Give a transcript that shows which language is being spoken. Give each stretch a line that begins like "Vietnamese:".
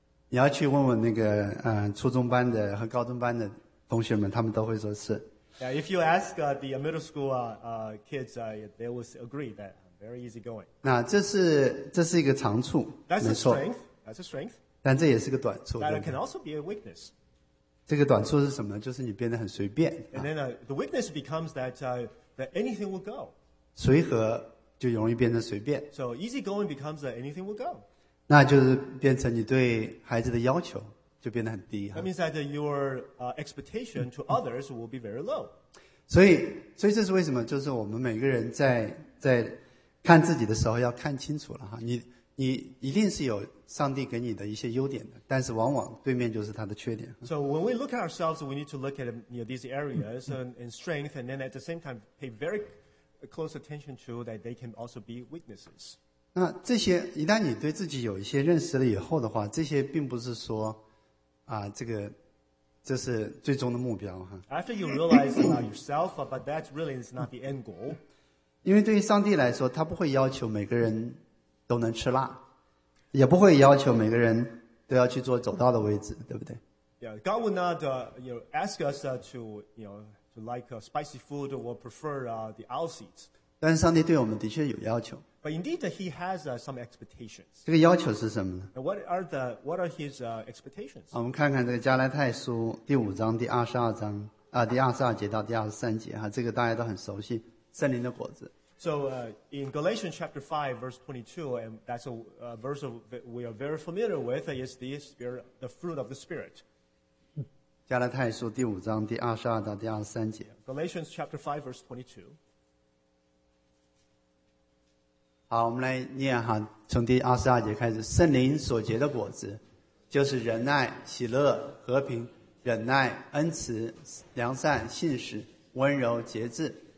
Chinese: 你要去问问那个初中班的和高中班的同学们，他们都会说是。
English: Yeah, if you ask the middle school kids, they will agree that I'm very easygoing.
Chinese: 那这是一个长处。
English: That's a strength. That's a strength.
Chinese: 但这也是个短处。
English: That can also be a weakness.
Chinese: 这个短处是什么呢？就是你变得很随便。
English: And then the weakness becomes that anything will go.
Chinese: 随和就容易变成随便。
English: So easygoing becomes that anything will go.
Chinese: 那就是变成你对孩子的要求就变得很低。
English: That means that your expectation to others will be very low.
Chinese: 所以这是为什么？就是我们每个人在看自己的时候要看清楚了哈。你一定是有上帝给你的一些优点的，但是往往对面就是他的缺点。
English: So when we look at ourselves, we need to look at these areas and strength, and then at the same time pay very close attention to that they can also be weaknesses.
Chinese: 那这些一旦你对自己有一些认识了以后的话，这些并不是说这是最终的目标哈。
English: After you realize about yourself, but that really is not the end goal.
Chinese: 因为对于上帝来说，他不会要求每个人。都能吃辣，也不会要求每个人都要去做走道的位置，对不对
English: ？Yeah, God would not ask us to like spicy food or prefer the aisle seats.
Chinese: 但是上帝对我们的确有要求。
English: But indeed, He has some expectations.
Chinese: 这个要求是什么呢
English: ？What are the What are His expectations？
Chinese: 我们看看这个加拉太书第五章第二十二章第二十二节到第二十三节哈，这个大家都很熟悉，圣灵的果子。
English: So in Galatians chapter 5, verse 22, and that's a verse that we are very familiar with, is the spirit, the fruit of the Spirit.
Chinese: 加拉太书第五章第二十二到第二十三节。
English: Galatians chapter 5, verse
Chinese: 22. 好，我们来念哈，从第二十二节开始，圣灵所结的果子，就是仁爱、喜乐、和平、忍耐、恩慈、良善、信实、温柔、节制。